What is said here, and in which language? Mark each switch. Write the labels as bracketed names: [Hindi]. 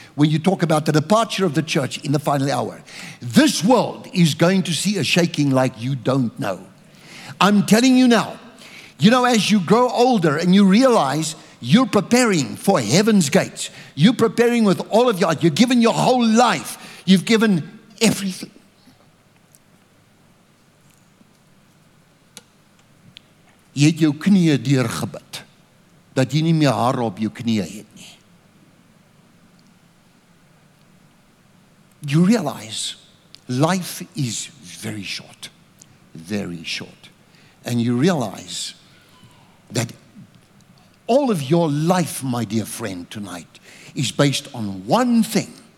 [English] When you talk about the departure of the church in the final hour, this world is going to see a shaking like you don't know. I'm telling you now, you know, as you grow older and you realize you're preparing for heaven's gates, you're preparing with all of your heart, you're giving your whole life, you've given everything. [Afrikaans] Jy het jou knieën deurgebid, dat jy nie meer haar op jou knieën het nie. [English] You realize life is very short, very short. And you realize that all of your life, my dear friend, tonight is based on one thing.